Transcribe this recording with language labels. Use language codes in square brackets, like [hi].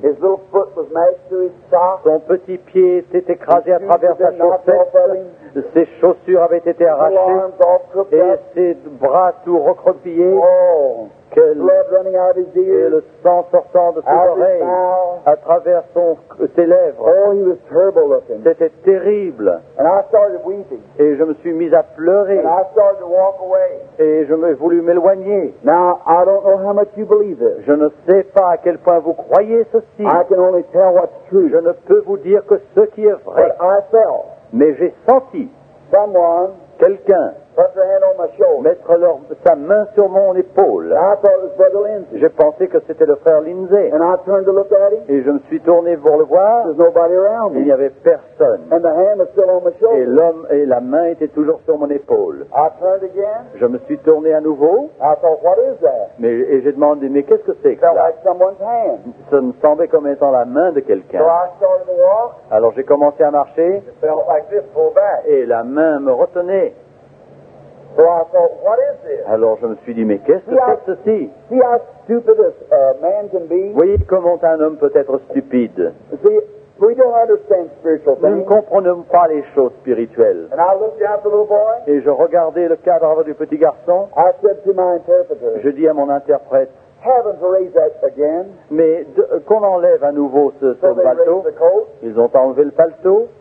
[en] his little foot was mashed through his socks, [fr] son petit pied s'est écrasé à travers sa chaussette, ses chaussures avaient été arrachées, et ses bras tout recroquevillés, [en] blood running out of his ears, [fr] et le sang sortant de ses oreilles, à travers ses lèvres. [en] Oh, he was terrible looking. [fr] C'était terrible. [en] And I started weeping. [fr] Et je me suis mis à pleurer. [en] And I started to walk away. [fr] Et je me suis voulu m'éloigner. [en] Now, I don't know how much you believe it. [fr] Je ne sais pas à quel point vous croyez ceci. [en] I can only tell what's true. [fr] Je ne peux vous dire que ce qui est vrai. [en] But I felt. [fr] Mais j'ai senti. [en] Someone. [fr] Quelqu'un. [en] Put their hand on my shoulder. [fr] Mettre sa main sur mon épaule. [en] I thought it was Brother Lindsay. [fr] J'ai pensé que c'était le frère Lindsay. [en] And I turned to look at him. [fr] Et je me suis tourné pour le voir. [en] There's nobody around me. [fr] Il n'y avait personne. [en] And the hand was still on my shoulder. [fr] Et la main était toujours sur mon épaule. [en] I turned again. [fr] Je me suis tourné à nouveau. [en] I thought, what is that? [fr] Et j'ai demandé, mais qu'est-ce que c'est que ça? [en] Felt like someone's hand. [fr] Ça me semblait comme étant la main de quelqu'un. [en] So I started to walk. [fr] Alors j'ai commencé à marcher. [en] It felt like this, pull back. [fr] Et la main me retenait. [en] So I thought, what is this? [fr] Alors je me suis dit, mais qu'est-ce que c'est ceci? [en] See how stupid a man can be? [fr] Voyez comment un homme peut être stupide. [en] See, We don't understand spiritual things. [fr] Nous ne comprenons pas les choses spirituelles. [en] And I looked at the little boy. [fr] Et je regardais le cadavre du petit garçon. [en] I said to my interpreter, [fr] je dis à mon interprète, [en] heaven to raise that again. [fr] Mais qu'on enlève à nouveau ce paletot. [en] So [fr] ils ont enlevé le paletot.